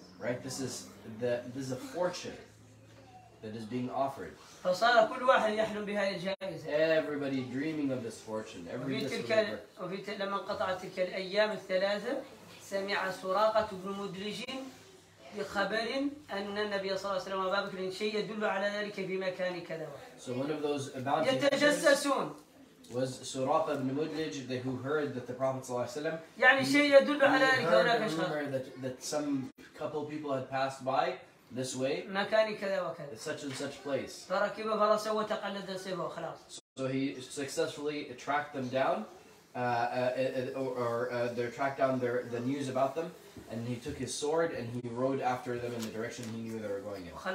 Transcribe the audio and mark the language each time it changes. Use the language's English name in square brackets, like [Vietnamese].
[English] Right, this is a fortune that is being offered. [Arabic] فصار كل واحد يحلم بهذه الجائزة. [English] Everybody dreaming of this fortune. [Arabic] لما انقطعت تلك الأيام الثلاثة سمع سراقة بن مدرج بخبر أن النبي صلى الله عليه وسلم أبا بكر شيء يدل على ذلك في مكان كذا. [English] So one of those bounty [Arabic] يتجسسون. [English] Was سراقة بن مدرج who heard that the Prophet صلى الله عليه وسلم [Arabic] يعني شيء يدل على ذلك هناك [English] that some couple people had passed by This way, [Arabic] مكان كذا وكذا. [English] Such and such place. [Arabic] فركب فرسه وتقلد سيفه خلاص. [English] So he successfully tracked them down, they tracked down their the news about them, and he took his sword and he rode after them in the direction he knew they were going in.